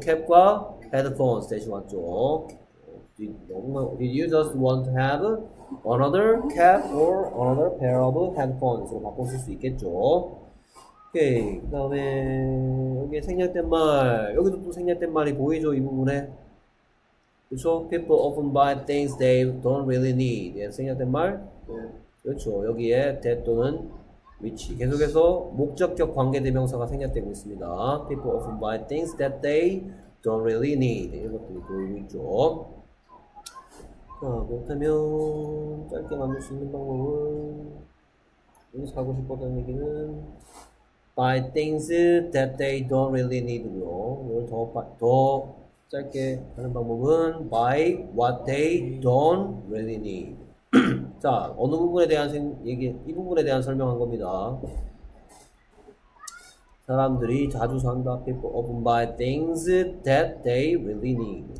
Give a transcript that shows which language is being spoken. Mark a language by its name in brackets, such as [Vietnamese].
[English] cap과 headphones [Korean] 대신 왔죠. [English] Did you just want to have another cap or another pair of headphones로 [Korean] 바꿨을 수 있겠죠. 오케이. 그 다음에 여기 생략된 말 여기도 또 생략된 말이 보이죠 이 부분에. 그쵸? [English] People often buy things they don't really need. [Korean] 예, 생략된 말. 네. 그렇죠. 여기에 that 또는 which 계속해서 목적격 관계대명사가 생략되고 있습니다. [English] People often buy things that they don't really need. [Korean] 이런 것들이 보이고 있죠. 자, 그렇다면 짧게 만들 수 있는 방법은 여기 사고 싶었다는 얘기는 [English] buy things that they don't really need [Korean] 고요. 이걸 더 짧게 하는 방법은 [English] buy what they don't really need. [Korean] 자, 어느 부분에 대한 얘기, 이 부분에 대한 설명한 겁니다. 사람들이 자주 산다. [English] People often buy things that they really need.